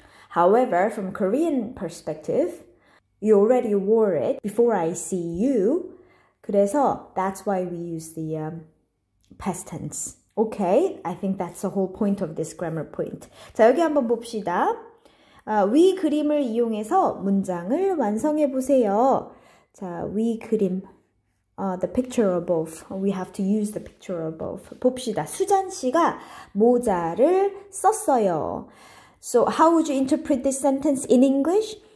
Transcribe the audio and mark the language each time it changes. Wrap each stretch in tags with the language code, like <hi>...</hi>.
<en>However, from Korean perspective, you already wore it before I see you.</en> <ko>그래서</ko> <en>that's why we use the past tense. Okay, I think that's the whole point of this grammar point.</en> <ko>자, 여기 한번 봅시다. 위 그림을 이용해서 문장을 완성해 보세요. 자, 위 그림.</ko> <en>The picture above. We have to use the picture above.</en> <ko>봅시다. 수잔 씨가 모자를 썼어요.</ko> <en>So how would you interpret this sentence in English?</en>